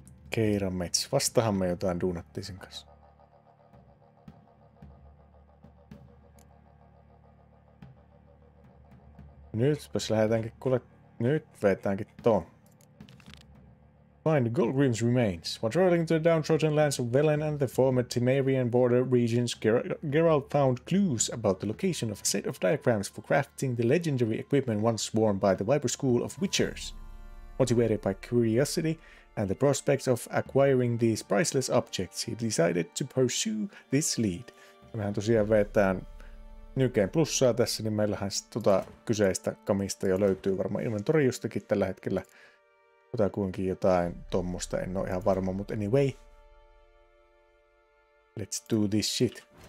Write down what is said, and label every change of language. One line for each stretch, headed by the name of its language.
Finnish: Keiran mets. Vastahan me jotain duunattiin sen kanssa. Nytpäs lähdetäänkin kuule. Nyt vetäänkin ton.
English: Find Gullgrim's remains. While traveling to the downtrodden lands of Velen and the former Temerian border regions, Geralt found clues about the location of a set of diagrams for crafting the legendary equipment once worn by the Viper School of Witchers. Motivated by curiosity and the prospect of acquiring these priceless objects, he decided to pursue this lead.
Finnish: Mehän tosiaan vetään nykeen plussaa tässä, niin meillähän tota kyseistä kamista jo löytyy varmaan inventori jostakin tällä hetkellä. Ota kuinkin jotain tuommoista, en ole ihan varma, mutta anyway.
English: Let's do this shit.